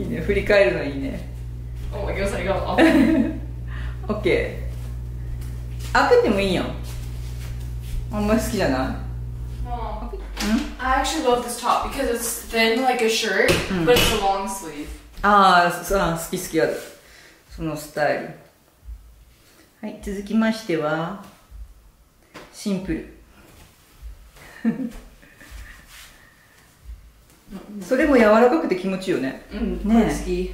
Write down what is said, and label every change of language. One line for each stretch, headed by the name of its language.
Japanese: いいね、振り返るのいいね。おまけをさりがオッケー。開けてもいいやん。あんまり好きじゃない。
English: Mom, I actually love this top because it's thin like a shirt、うん、but it's a long sleeve.
Japanese: あー、そう、好き好きやる、そのスタイル。はい、続きましてはシンプル。それも柔らかくて気持ちいいよね。うん、ね、好き。